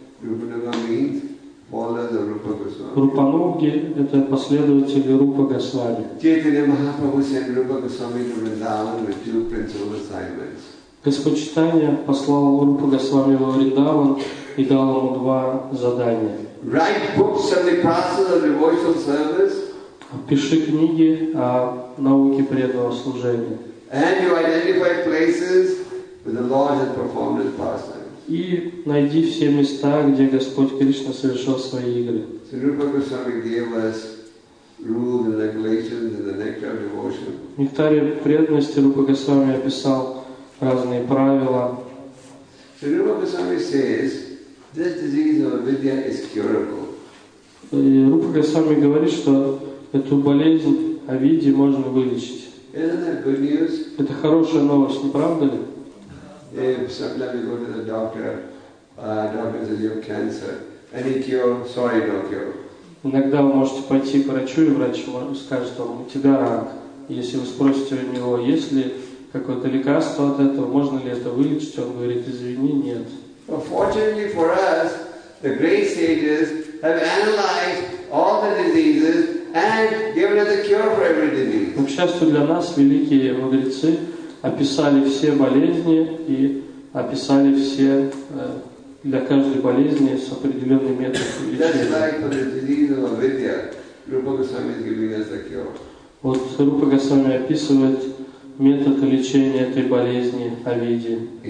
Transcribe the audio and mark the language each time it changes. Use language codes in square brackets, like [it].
[en] Rupanuga means followers of Rupa Goswami. [ru] Рупануги – это последователи Рупа Госвами. [en] Chaitanya Mahaprabhu sent Rupa Goswami to Vrindavan with two principal assignments. [ru] Господь Читания послал Рупа Госвами во Вриндаван и дал ему два задания. [en] Write books on the process of devotional service. [ru] Пиши книги о науке преданного служения. [en] And you identify places where the Lord has performed his pastimes. [ru] И найди все места, где Господь Кришна совершал свои игры. [en] So Rupa Goswami gave us rules and regulations in the nectar of devotion. [ru] В нектаре преданности Рупа Госвами описал разные правила. [en] So Rupa Goswami says, this disease of avidya is curable. [ru] И Рупа Госвами говорит, что эту болезнь авидьи можно вылечить. [en] Isn't that good news? [ru] Это хорошая новость, не правда ли? [en] If sometimes you go to the doctor, doctor says you have cancer. Any cure? Sorry, no cure. [ru] Иногда вы можете пойти к врачу, и врач скажет вам, у тебя рак. Если вы спросите у него, есть ли какое-то лекарство от этого, можно ли это вылечить, он говорит, извини, нет. [en] Fortunately for us, the great sages have analyzed all the diseases and given us a cure for every disease. [ru] К счастью для нас, великие мудрецы описали все болезни и описали все для каждой болезни с определенным методом лечения. [en] Just like for the disease of avidya, Rupa Goswami is giving us a cure. [ru] Вот Рупа Госвами описывает метод лечения этой болезни авидьи.